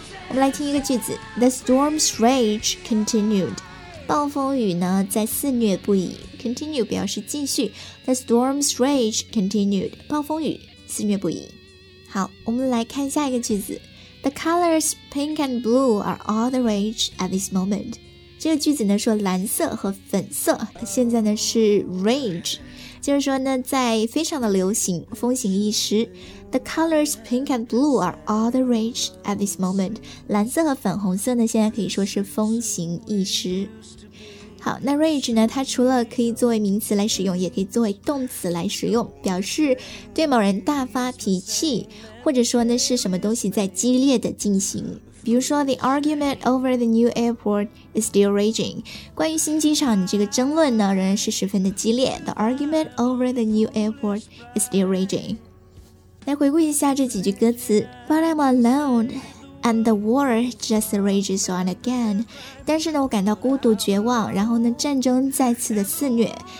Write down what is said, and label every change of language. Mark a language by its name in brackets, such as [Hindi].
[Chinese] 我们来听一个句子 [English] The storm's rage continued [Chinese] 暴风雨呢在肆虐不已 continue 表示继续 The storm's rage continued 暴风雨肆虐不已好我们来看下一个句子 [English] The colors pink and blue are all the rage at this moment [Chinese] 这个句子呢说蓝色和粉色现在呢是 rage 就是说呢，在非常的流行，风行一时。 [English] The colors pink and blue are all the rage at this moment. [Chinese] 蓝色和粉红色呢，现在可以说是风行一时。好，那 rage 呢，它除了可以作为名词来使用，也可以作为动词来使用，表示对某人大发脾气，或者说呢是什么东西在激烈的进行。比如说 [English] the argument over the new airport is still raging. [Chinese] 关于新机场，你这个争论呢仍然是十分的激烈。 [English] The argument over the new airport is still raging. [Chinese] 来回顾一下这几句歌词。 [English] But I'm alone. And the war just rages on again. [Chinese] 但是呢，我感到孤独绝望，然后呢，战争再次的肆虐。